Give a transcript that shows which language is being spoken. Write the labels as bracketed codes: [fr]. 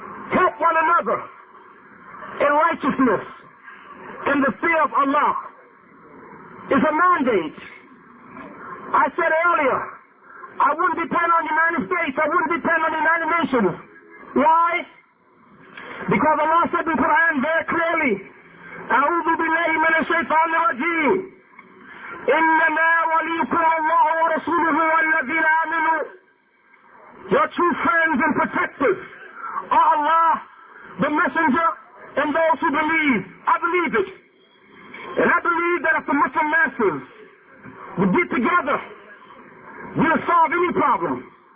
[en] Help one another in righteousness in the fear of Allah is a mandate. I said earlier, I wouldn't depend on the United States, I wouldn't depend on the United Nations. Why? Because Allah said in the Quran very clearly, [ar] أَعُوذُ بِاللَّهِ مِنَ الشَّيْطَانِ الرَّجِيمِ إِنَّمَا وَلِيُّكُمُ اللَّهُ وَرَسُولُهُ وَالَّذِينَ آمِنُوا. [en] Your true friends and protectors are Allah, the Messenger, and those who believe. I believe it. And I believe that if the Muslim masses would get together, we'll solve any problem.